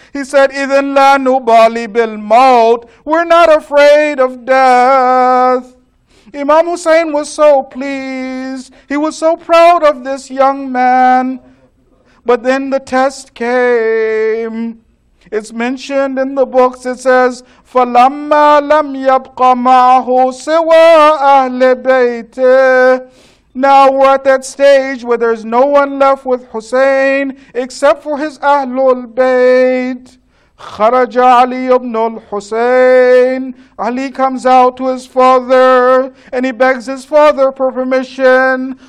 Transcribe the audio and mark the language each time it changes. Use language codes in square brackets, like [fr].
[en] He said, [ar] "Idhan la nubali bil maut." [en] We're not afraid of death. Imam Hussein was so pleased. He was so proud of this young man. But then the test came. It's mentioned in the books. It says, [ar] فَلَمَّا لَمْ يَبْقَ مَعْهُ سِوَى أَهْلِ بَيْتِهِ. [en] Now we're at that stage where there's no one left with Hussein except for his Ahlul Bayt. [ar] Kharaja Ali ibn al-Hussein. [en] Ali comes out to his father and he begs his father for permission.